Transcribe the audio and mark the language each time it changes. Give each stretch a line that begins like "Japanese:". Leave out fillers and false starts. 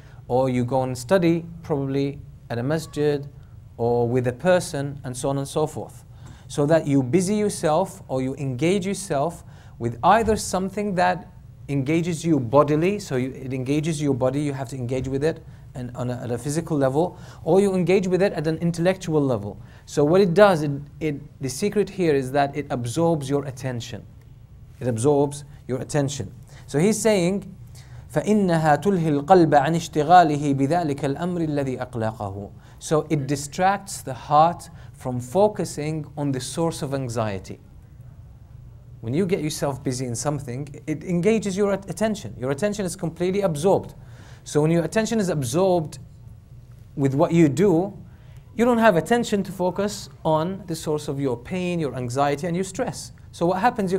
English: or you go and study probably at a masjid or with a person, and so on and so forth, so that you busy yourself or you engage yourself with either something that engages you bodily, so it engages your body, you have to engage with it and at a physical level, or you engage with it at an intellectual level. So what it does, the secret here is that it absorbs your attention. It absorbs your attention. So he's saying,
Arabic: فَإِنَّهَا تُلْهِي الْقَلْبَ عَنْ اشْتِغَالِهِ بِذَلِكَ الْأَمْرِ الَّذِي أَقْلَقَهُ.
English: So it distracts the heart from focusing on the source of anxiety. When you get yourself busy in something, it engages your attention. Your attention is completely absorbed. So when your attention is absorbed with what you do, you don't have attention to focus on the source of your pain, your anxiety, and your stress. So what happens?